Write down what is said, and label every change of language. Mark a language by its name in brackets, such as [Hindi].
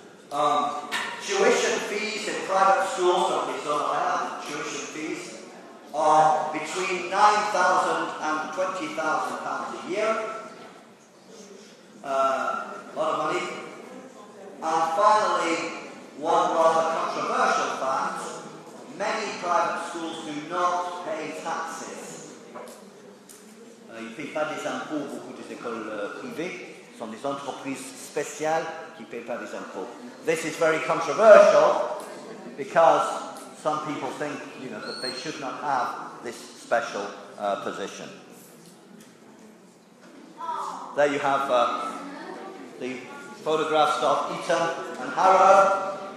[English] Tuition fees in private schools, okay, so I have tuition fees, are between £9,000 and £20,000 a year. A lot of money. And finally, one rather controversial fact, many private schools do not pay taxes. [French] Ils ne payent pas des impôts, beaucoup des écoles privées. Ce sont des entreprises spéciales qui ne payent pas des impôts. [English] This is very controversial because some people think, you know, that they should not have this special position. There you have the photographs of Eton and Harrow.